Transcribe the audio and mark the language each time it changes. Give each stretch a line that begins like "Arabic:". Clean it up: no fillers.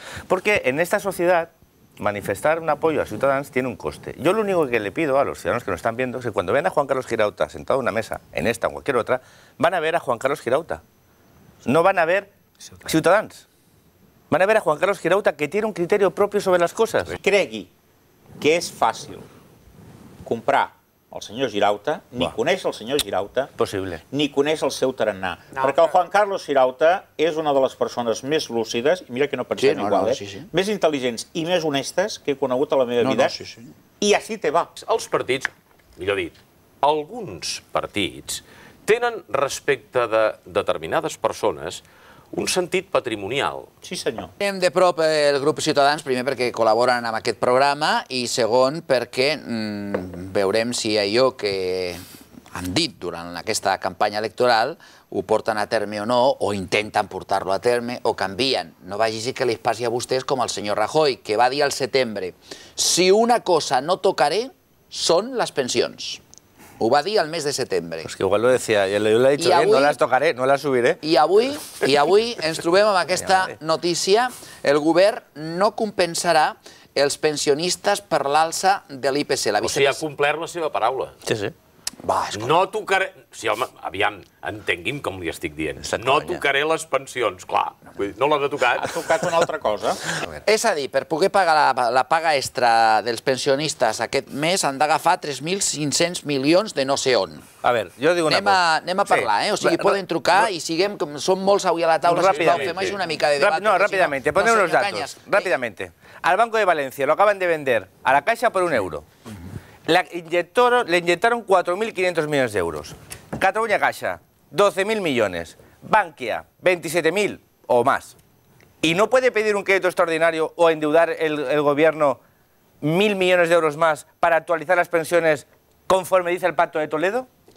Spanish: Porque en esta sociedad, manifestar un apoyo a Ciutadans tiene un coste. Yo lo único que le pido a los ciudadanos que nos están viendo es que cuando ven a Juan Carlos Girauta sentado en una mesa, en esta o cualquier otra, van a ver a Juan Carlos Girauta. No van a ver Ciutadans. Van a ver a Juan Carlos Girauta, que tiene un criterio propio sobre las cosas.
Catalan: Cregui que és fàcil comprar el senyor Girauta, ni coneix el senyor Girauta... Possible. ...ni coneix el seu tarannà. Perquè el Juan Carlos Girauta és una de les persones més lúcides, i mira que no pensem igual, més intel·ligents i més honestes que he conegut a la meva vida. I així te va. Els partits, millor dit, alguns partits, tenen respecte de determinades persones... un sentit patrimonial. Sí, senyor. Anem de prop el grup Ciutadans, primer perquè col·laboren amb aquest programa i segon perquè veurem si allò que han dit durant aquesta campanya electoral ho porten a terme o no, o intenten portar-lo a terme, o canvien. No vagi així que li passi a vostès com el senyor Rajoy, que va dir al setembre, si una cosa no tocaré, són les pensions. Ho va dir el mes de setembre. És que igual
Spanish: lo decía, yo lo he dicho bien, no las tocaré, no las subiré.
Catalan: I avui ens trobem amb aquesta notícia. El govern no compensarà els pensionistes per l'alça de l'IPC. O sigui, ha complert la seva paraula. Sí, sí. No tocaré... Sí, home, aviam, entengui'm com li estic dient. No tocaré les pensions, clar. No les ha tocat. Ha tocat una altra cosa. És a dir, per poder pagar la paga extra dels pensionistes aquest mes han d'agafar 3.500 milions de no sé on. A veure, jo dic una cosa. Anem a parlar, eh? O sigui, poden trucar i siguem... Som molts avui a la taula, si us fem una mica de debat. No, ràpidament, posem uns datos. Ràpidament. Al Banco de València lo acaben
Spanish: de vender
Catalan: a la Caixa per un euro.
Spanish: Le inyectaron 4.500 millones de euros. Cataluña Caixa, 12.000 millones. Bankia, 27.000 o más. ¿Y no puede pedir un crédito extraordinario o endeudar el gobierno 1.000 millones de euros más para actualizar las pensiones conforme dice el Pacto de Toledo?